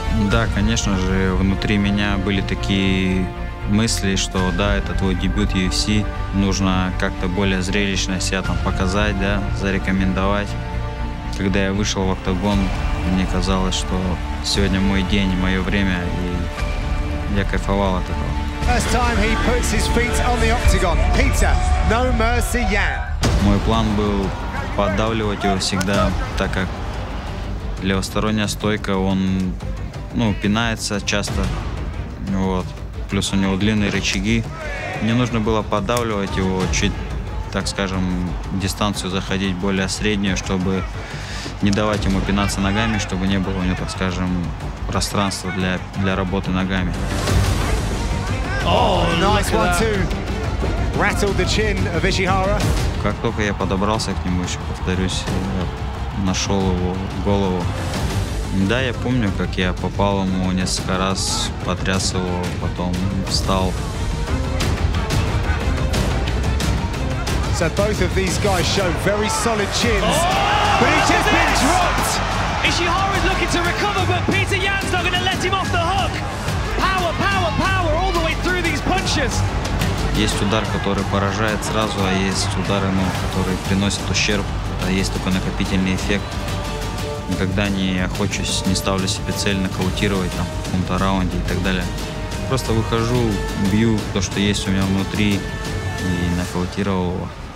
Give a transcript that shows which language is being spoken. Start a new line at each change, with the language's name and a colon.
Russian: Да, конечно же, внутри меня были такие мысли, что да, это твой дебют UFC, нужно как-то более зрелищно себя там показать, да, зарекомендовать. Когда я вышел в октагон, мне казалось, что сегодня мой день, мое время, и я кайфовал от этого.
English: First time he puts his feet on the octagon. Petr, No Mercy Yan.
Russian: Мой план был поддавливать его всегда, так как левосторонняя стойка, он, ну, пинается часто, вот. Плюс у него длинные рычаги. Мне нужно было поддавливать его, чуть, так скажем, дистанцию заходить более среднюю, чтобы не давать ему пинаться ногами, чтобы не было у него, так скажем, пространства для работы ногами.
English: Oh, nice one too. Rattled the chin of Ishihara.
Russian: Как только я подобрался к нему, еще повторюсь, я нашел его голову. Да, я помню, как я попал ему несколько раз, потряс его, потом встал.
English: So both of these guys show very solid chins. Oh, but he's just been dropped! Ishihara's looking to recover, but Petr Yan's not going to let him off the hook. Power, power, power all the way through these punches.
Russian: Есть удар, который поражает сразу, а есть удары, ну, которые приносят ущерб. А есть только накопительный эффект. Никогда не охочусь, не ставлю себе цель нокаутировать там, в каком-то раунде и так далее. Просто выхожу, бью то, что есть у меня внутри, и нокаутировал его.